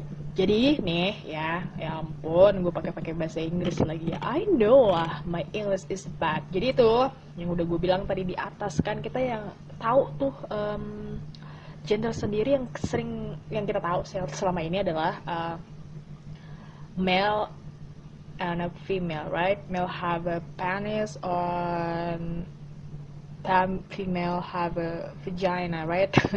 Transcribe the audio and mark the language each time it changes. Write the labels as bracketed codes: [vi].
[id] Jadi nih ya, ya ampun, gue pakai bahasa Inggris lagi ya. [en] I know lah, my English is bad. [id] Jadi itu yang udah gue bilang tadi di atas kan, kita yang tahu tuh gender sendiri yang sering yang kita tahu selama ini adalah [en] male and a female, right? Male have a penis on, time female have a vagina, right?